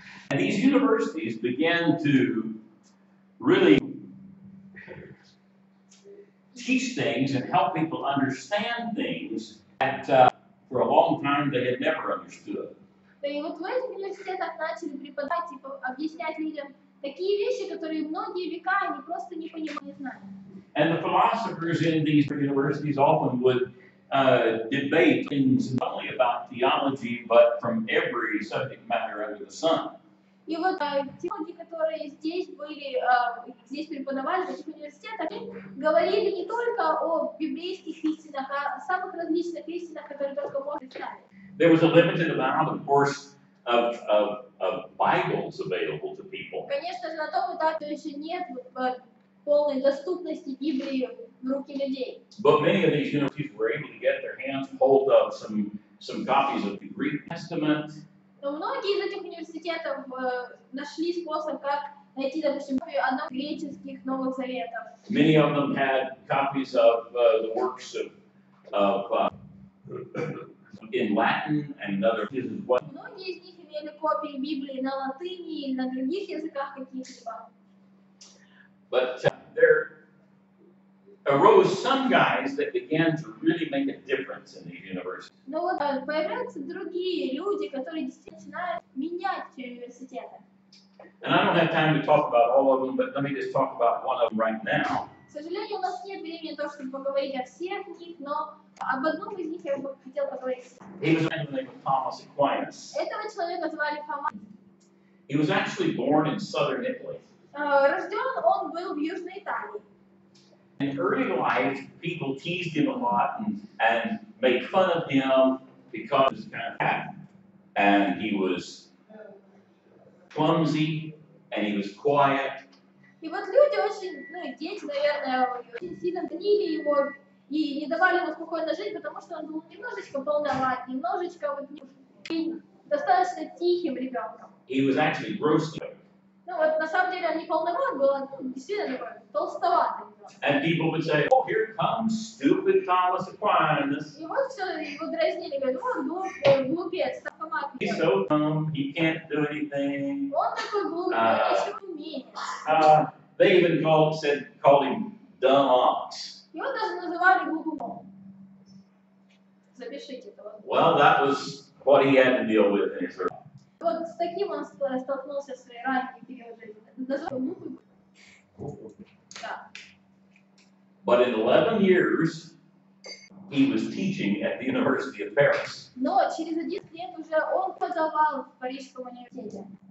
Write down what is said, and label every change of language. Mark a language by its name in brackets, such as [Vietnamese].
[English] And these universities began to really teach things and help people understand things that for a long time they had never understood. [Russian] И вот в этих университетах начали преподавать и объяснять людям такие вещи, которые многие века они просто не понимали, не знали. [English] And the philosophers in these universities often would debate things not only about theology, but from every subject matter under the sun. [Russian] И вот те люди, которые здесь были, здесь преподавали в этих университетах, говорили не только о библейских истинах, а о самых различных истинах, которые только можно искать. [English] There was a limited amount, of course, of Bibles available to people. [Russian] Конечно же, на том этапе еще нет полной доступности Библии в руки людей. [English] But many of these universities were able to get their hands hold of some copies of the Greek Testament. [Russian] Но многие из этих университетов нашли способ, как найти, допустим, копию одного из греческих новых заветов. [English] Many of them had copies of the works of in Latin and other places. [Russian] Многие из них имели копии Библии на латыни или на других языках каких-либо. [English] But there arose some guys that began to really make a difference in the university. [Russian] Но вот появляются другие люди, которые действительно начинают менять университеты. [English] And I don't have time to talk about all of them, but let me just talk about one of them right now. [Russian] К сожалению, у нас нет времени на то, чтобы поговорить о всех них, но об одном из них я бы хотел поговорить. [English] He was a man named Thomas Aquinas. [Russian] Этого человека звали Фомас. [English] He was actually born in southern Italy. [Russian] Рожден он был в Южной Италии. [English] In early life, people teased him a lot and made fun of him because he was kind of fat. And he was clumsy, and he was quiet. [Russian] И вот люди очень, ну, дети, наверное, очень сильно гнили его и не давали ему спокойно жить, потому что он был немножечко полноват, немножечко вот достаточно тихим ребенком. [English] He was actually grossly. [Russian] Ну вот на самом деле он не полноват был, он действительно такой толстоватый. [English] And people would say, "Oh, here comes stupid Thomas Aquinas." [Russian] И вот все его дразнили, говорят, "О, глупец, Томас Аквинас." [English] He's so dumb, he can't do anything. [Russian] Он такой глупец, ничего не умеет. [English] They even called him dumb ox. [Russian] Его даже называли глупым ом. Запишите это. [English] Well, that was what he had to deal with in his early life. [Russian] Вот с таким он столкнулся в своей ранней период жизни. Назвал глупым. Да. [English] But in 11 years, he was teaching at the University of Paris. [Russian] Но через 11 лет уже он преподавал в Парижском университете.